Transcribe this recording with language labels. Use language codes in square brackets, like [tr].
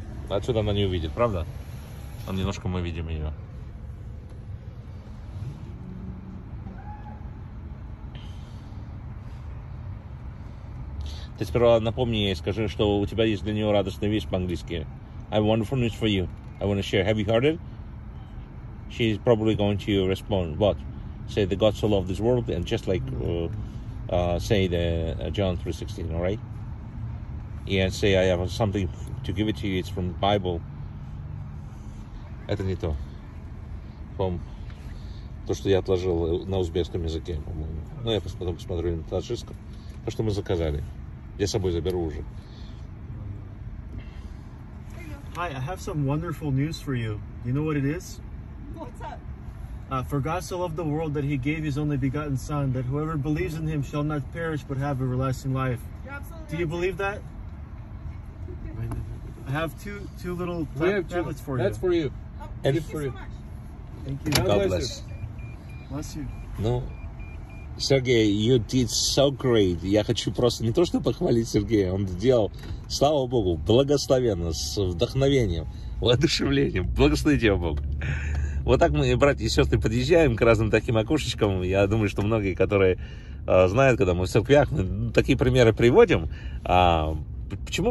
[ru] Отсюда она не увидит, правда? Там немножко мы видим ее. Ты сперва напомни ей, скажи, что у тебя есть для нее радостная вещь по-английски. [en] I have wonderful news for you. I want to share. Have you heard it? She's probably going to respond. What? Say that God so loved this world and just like say the John 3:16, all right? And say I have something to give it to you. It's from Bible. [ru] Это не то. То, что я отложил на узбекском языке, по-моему. Но я потом посмотрю на таджикском. То, что мы заказали. Я с собой заберу уже. [en] Hi, I have some wonderful news for you. You know what it is? What's up? For God so loved the world that he gave his only begotten son, that whoever believes in him shall not perish but have everlasting life. You're absolutely Do you believe that? I have two little tablets for you. That's for you. Oh, thank you so much. Thank you. God bless. Bless you. No. Сергей, you did so great. [ru] Я хочу просто не то, что похвалить Сергея, он сделал, слава Богу, благословенно, с вдохновением, воодушевлением. Благослови тебя, Бог. Вот так мы, братья и сестры, подъезжаем к разным таким окошечкам. Я думаю, что многие, которые знают, когда мы в церквях, мы такие примеры приводим. Почему?